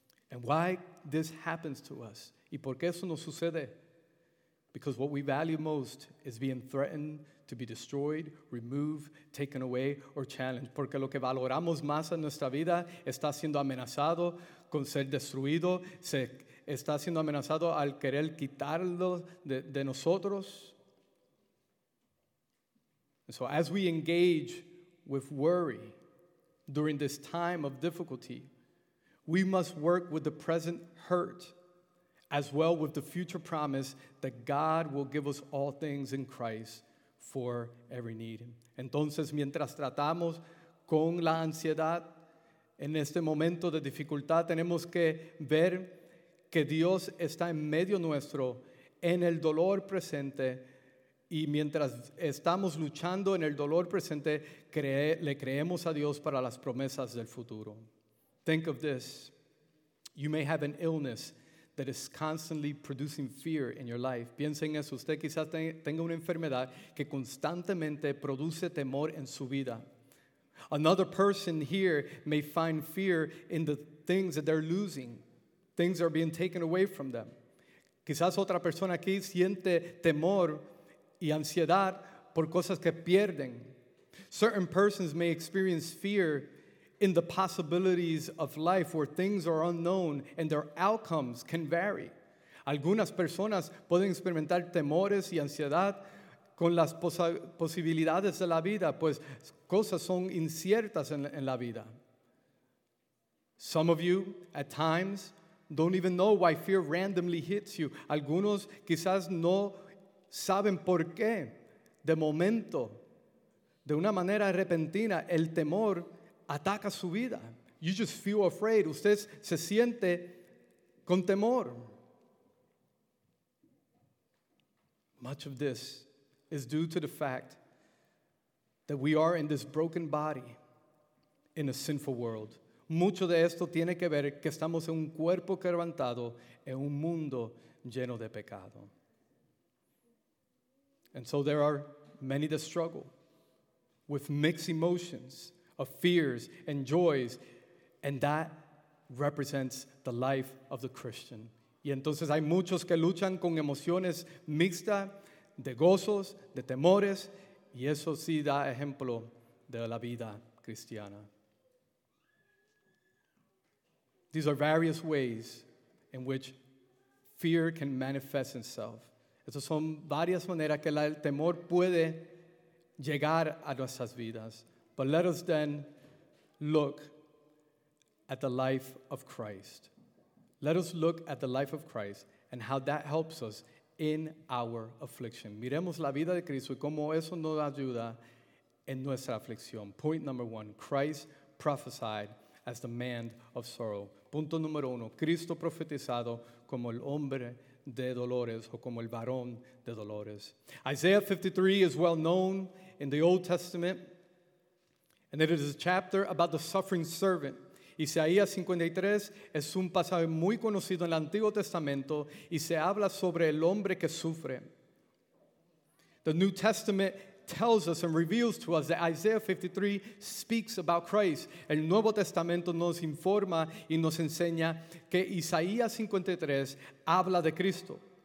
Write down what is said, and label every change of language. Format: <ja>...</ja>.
<en>And why this happens to us?</en> <es>¿Y por qué eso nos sucede?</es> <en>Because what we value most is being threatened to be destroyed, removed, taken away, or challenged.</en> <es>Porque lo que valoramos más en nuestra vida está siendo amenazado con ser destruido, se está siendo amenazado al querer quitarlo de nosotros.</es> <en>And so as we engage with worry during this time of difficulty, we must work with the present hurt as well with the future promise that God will give us all things in Christ for every need.</en> <es>Entonces, mientras tratamos con la ansiedad, en este momento de dificultad, tenemos que ver que Dios está en medio nuestro, en el dolor presente, y mientras estamos luchando en el dolor presente, le creemos a Dios para las promesas del futuro.</es> <en>Think of this. You may have an illness that is constantly producing fear in your life.</en> <es>Piensen en eso. Usted quizás tenga una enfermedad que constantemente produce temor en su vida.</es> <en>Another person here may find fear in the things that they're losing. Things are being taken away from them.</en> <es>Quizás otra persona aquí siente temor y ansiedad por cosas que pierden.</es> <en>Certain persons may experience fear in the possibilities of life where things are unknown and their outcomes can vary.</en> <es>Algunas personas pueden experimentar temores y ansiedad con las posibilidades de la vida, pues cosas son inciertas en la vida.</es> <en>Some of you, at times, don't even know why fear randomly hits you.</en> <es>Algunos quizás no saben por qué, de momento, de una manera repentina, el temor ataca su vida.</es> <en>You just feel afraid.</en> <es>Usted se siente con temor.</es> <en>Much of this is due to the fact that we are in this broken body in a sinful world.</en> <es>Mucho de esto tiene que ver que estamos en un cuerpo quebrantado en un mundo lleno de pecado.</es> <en>And so there are many that struggle with mixed emotions of fears and joys, and that represents the life of the Christian.</en> <es>Y entonces hay muchos que luchan con emociones mixtas de gozos, de temores, y eso sí da ejemplo de la vida cristiana.</es> <en>These are various ways in which fear can manifest itself.</en> <es>Estas son varias maneras que el temor puede llegar a nuestras vidas.</es> <en>But let us then look at the life of Christ. Let us look at the life of Christ and how that helps us in our affliction.</en> <es>Miremos la vida de Cristo y cómo eso nos ayuda en nuestra aflicción.</es> <en>Point number one, Christ prophesied as the man of sorrow.</en> <es>Punto número uno, Cristo profetizado como el hombre de dolores o como el varón de dolores.</es> <en>Isaiah 53 is well known in the Old Testament, and it is a chapter about the suffering servant.</en> <es>Isaías 53 es un pasaje muy conocido en el Antiguo Testamento y se habla sobre el hombre que sufre.</es> <en>The New Testament tells us and reveals to us that Isaiah 53 speaks about Christ.</en> <es>El Nuevo Testamento nos informa y nos enseña que Isaías 53 habla de Cristo.</es>